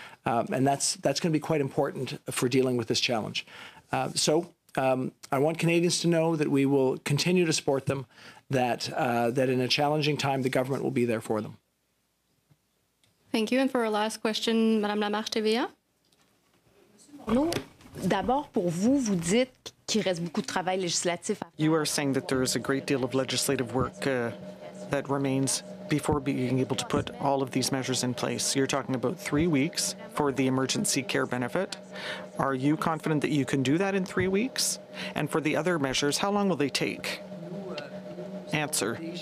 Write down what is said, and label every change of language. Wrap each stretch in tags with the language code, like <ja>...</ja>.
<en>And that's going to be quite important for dealing with this challenge. I want Canadians to know that we will continue to support them, that in a challenging time, the government will be there for them. Thank you. And for our last question, Madame Lamarche, TVA. No.</en> <fr>D'abord, pour vous, vous dites qu'il reste beaucoup de travail législatif.</fr> <en>You are saying that there is a great deal of legislative work that remains before being able to put all of these measures in place. You're talking about 3 weeks for the emergency care benefit. Are you confident that you can do that in 3 weeks? And for the other measures, how long will they take? Answer.</en>